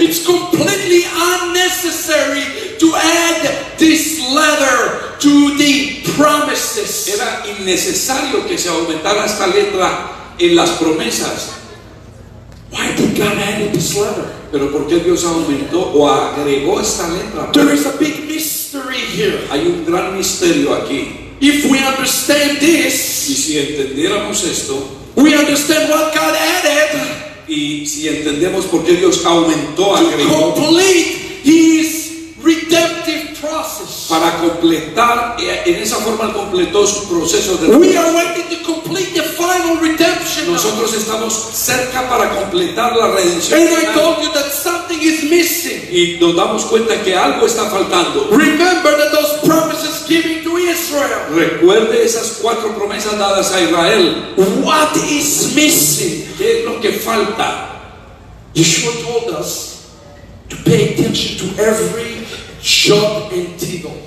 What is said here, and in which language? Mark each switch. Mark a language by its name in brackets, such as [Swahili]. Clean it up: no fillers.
[English] It's completely unnecessary to add this letter to the promises. [Spanish] Era innecesario que se aumentara esta letra en las promesas. [English] Why did God add this letter? [Spanish] Pero ¿por qué Dios aumentó o agregó esta letra? [English] There is a big mystery here. [Spanish] Hay un gran misterio aquí. [English] If we understand this, [Spanish] y si entendiéramos esto, [English] we understand what God added. [Spanish] Y si entendemos por qué Dios aumentó, agregó, [English] to complete His redemptive process. [Spanish] Para completar, en esa forma completó su proceso de [English] redención. We are waiting to complete the final redemption. [Spanish] Nosotros estamos cerca para completar la redención. [English] And I told you that something is missing. [Spanish] Y nos damos cuenta que algo está faltando. [English] Remember that those promises given to Israel. [Spanish] Recuerde esas cuatro promesas dadas a Israel. [English] What is missing? [Spanish] ¿Qué es lo que falta? [English] Yeshua told us to pay attention to every jot and tittle.